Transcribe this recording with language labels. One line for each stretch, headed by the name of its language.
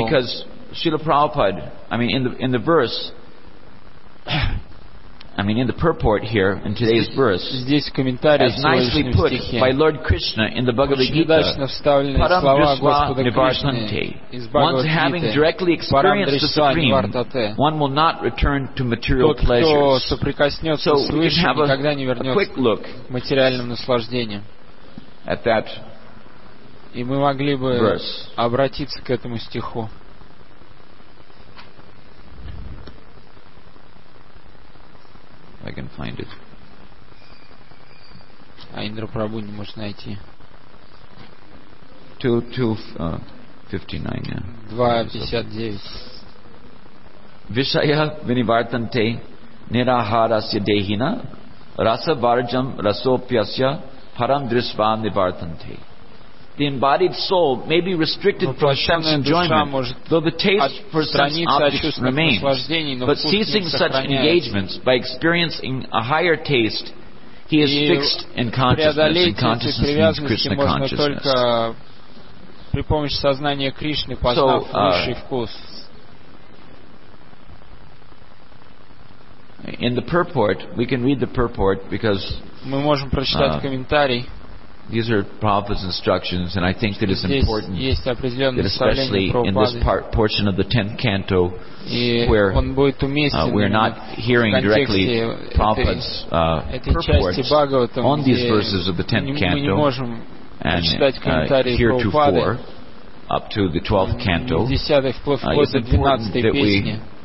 English: Because Srila Prabhupada, I mean, in the verse, I mean, in the purport here in today's verse,
Russian: здесь комментарий
English: as nicely put
Russian: стихе,
English: by Lord Krishna in the Bhagavad Gita,
Sanskrit: Param Drishva Nivartante,
English: once having directly experienced the Supreme, one will not return to material pleasures.
Russian: Тот, кто соприкоснется с никогда не вернется к материальным наслаждениям.
English: At that
Russian: и мы могли бы обратиться к этому стиху.
English: I can find it.
Russian: А Индра Прабу не может найти.
English: 2:59.
Sanskrit: Вишая винивартанте нирахарасья дехина раса варджам расопьясья парам дрисва нивартанте.
English: The embodied soul may be restricted from sense enjoyment, though the taste for sense objects remains. But ceasing such engagements by experiencing a higher taste, he is fixed in consciousness, and consciousness means Krishna consciousness. So, in the purport, we can read the purport because
Russian: мы можем прочитать комментарий.
English: These are Prabhupada's instructions, and I think that it's important that especially in this portion of the 10th canto where we're not hearing directly Prabhupada's purports on these verses of the 10th canto and heretofore up to the 12th canto, it's important that we